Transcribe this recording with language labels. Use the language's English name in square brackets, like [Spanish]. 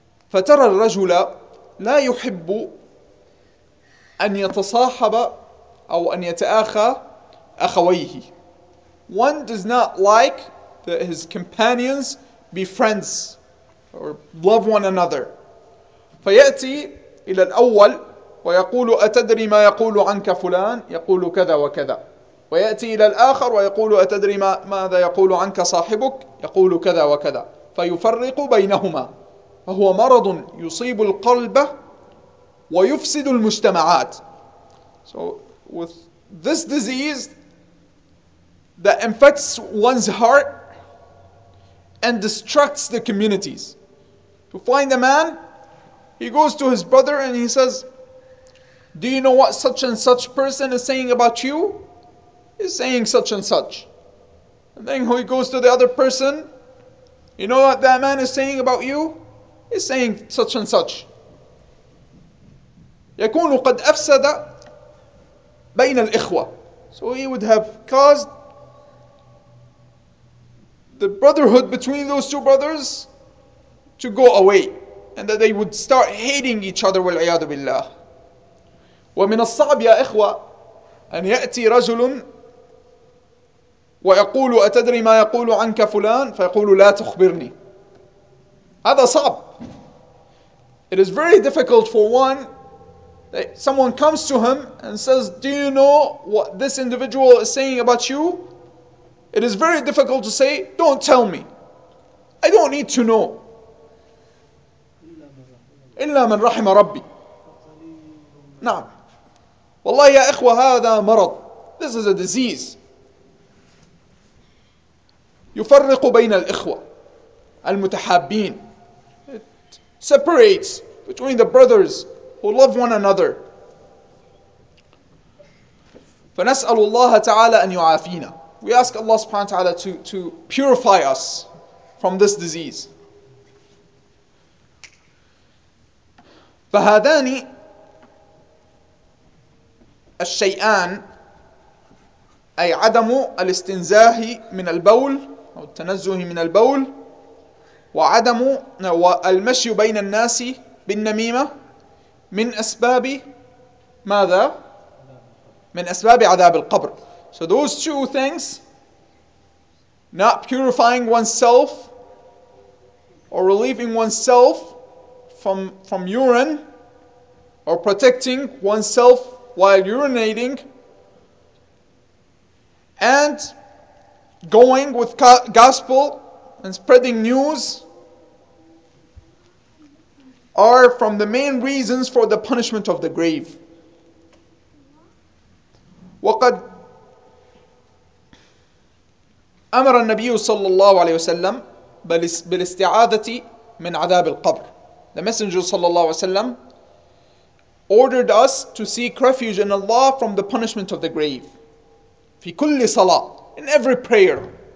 [Arabic] فترى الرجل لا يحب أن يتصاحب أو أن يتآخى أخويه. [English] One does not like that his companions be friends or love one another. [Arabic] فيأتي إلى الأول ويقول أتدري ما يقول عنك فلان؟ يقول كذا وكذا. ويأتي إلى الآخر ويقول أتدري ماذا يقول عنك صاحبك؟ يقول كذا وكذا. فيفرق بينهما. فهو مرض يصيب القلب ويفسد المجتمعات. [English] So with this disease that infects one's heart and destructs the communities. To find a man, he goes to his brother and he says, do you know what such and such person is saying about you? He's saying such and such. And then he goes to the other person, you know what that man is saying about you? He's saying such and such. [Arabic] يكون قد أفسد بين الإخوة. [English] So he would have caused the brotherhood between those two brothers to go away, and that they would start hating each other. [Arabic] والعياد بالله. ومن الصعب يا إخوة أن يأتي رجل ويقول أتدري ما يقول عنك فلان؟ فيقول لا تخبرني. هذا صعب. [English] It is very difficult for one. Someone comes to him and says, do you know what this individual is saying about you? It is very difficult to say, don't tell me. I don't need to know. [Arabic] إلا من رحم ربي. نعم. والله يا إخوة هذا مرض. [English] This is a disease. [Arabic] يفرق بين الإخوة المتحابين. [English] It separates between the brothers who love one another. [Arabic] فنسأل الله تعالى أن يعافينا. [English] We ask Allah subhanahu wa ta'ala to purify us from this disease. [Arabic] فهذان الشيئان أي عدم الاستنزاه من البول أو التنزه من البول وعدم المشي بين الناس بالنميمة من أسباب ماذا؟ من أسباب عذاب القبر. [English] So those two things, not purifying oneself or relieving oneself from urine or protecting oneself while urinating and going with gospel and spreading news are from the main reasons for the punishment of the grave. [Arabic] وقد أمر النبي صلى الله عليه وسلم بالاستعاذة من عذاب القبر. [English] The messenger صلى الله عليه وسلم ordered us to seek refuge in Allah from the punishment of the grave. [Arabic] في كل صلاة, [English] in every prayer.